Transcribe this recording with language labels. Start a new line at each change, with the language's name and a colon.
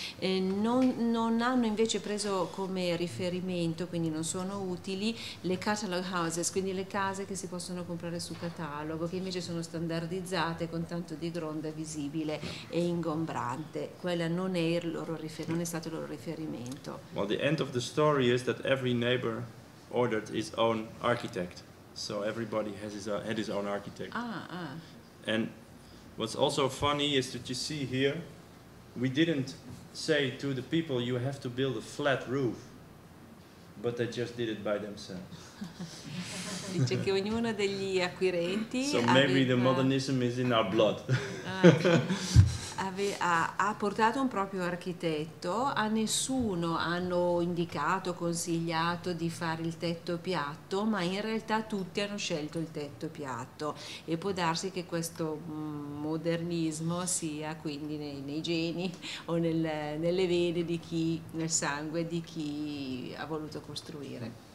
Italian: Non hanno invece preso come riferimento, quindi non sono utili, le
English: catalog houses,
Italian: quindi le case che si possono comprare su catalogo, che invece sono standardizzate con tanto di gronda visibile e ingombrante. Quella non è il loro non è stato il loro riferimento.
English: Well, the end of the story is that every neighbor ordered his own architect, so everybody has had his own architect. And what's also funny is that you see here, we didn't say to the people, you have to build a flat roof, but they just did it by themselves.
Italian: Dice che ognuno degli acquirenti.
English: So maybe the modernism is in our blood.
Italian: Ha portato un proprio architetto, a nessuno hanno indicato, consigliato di fare il tetto piatto, ma in realtà tutti hanno scelto il tetto piatto, e può darsi che questo modernismo sia quindi nei geni o nelle vene di chi, nel sangue di chi ha voluto costruire.